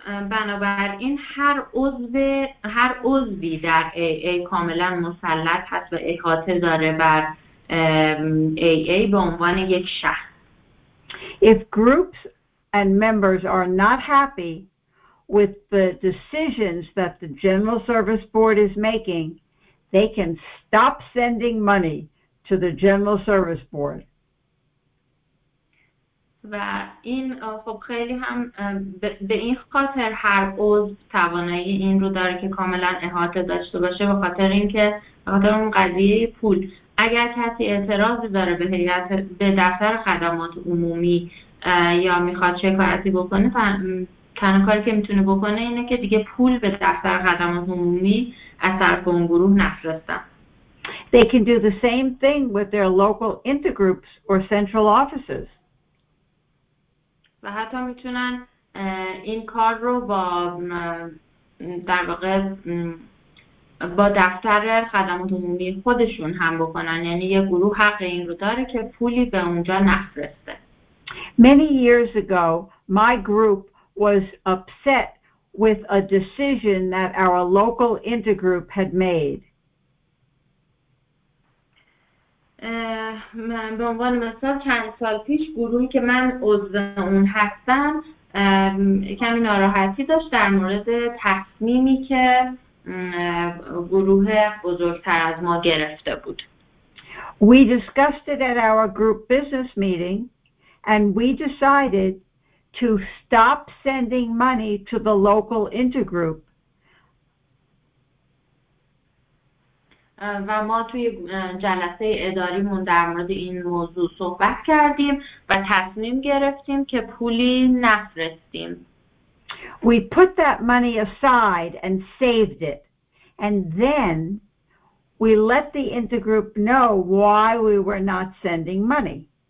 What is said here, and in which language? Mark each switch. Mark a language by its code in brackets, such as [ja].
[fa] بنابراین هر عضوی در AA کاملا مسلط هست و احاطه داره بر AA به عنوان یک شخص. [en] If groups and members are not happy with the decisions that the General Service Board is making, they can stop sending money to the General Service Board. [fa] و این خب خیلی هم به این خاطر هر عضو توانایی این رو داره که کاملا احاطه داشته باشه به خاطر اینکه خاطر اون قضیه پول. اگر کسی اعتراض داره به هیئت به دفتر خدمات عمومی یا میخواد شکایتی بکنه، تنها کاری که میتونه بکنه اینه که دیگه پول به دفتر خدمات عمومی از طرف اون گروه نفرستن. [en] They can do the same thing with their local intergroups or central offices. [fa] و حتی میتونن این کار رو با در واقع با دفتر خدمات عمومی خودشون هم بکنن. یعنی یه گروه حق این رو داره که پولی به اونجا نفرسته. [en] Many years ago, my group was upset with a decision that our local intergroup had made. [fa] من به عنوان مثال چند سال پیش گروهی که من عضو اون هستم کمی ناراحتی داشت در مورد تصمیمی که گروه بزرگتر از ما گرفته بود. [en] We discussed it at our group business meeting and we decided to stop sending money to the local intergroup. [fa] و ما توی جلسه اداریمون در مورد این موضوع صحبت کردیم و تصمیم گرفتیم که پولی نفرستیم. [en] We put that money aside and saved it. And then we let the intergroup know why we were not sending money.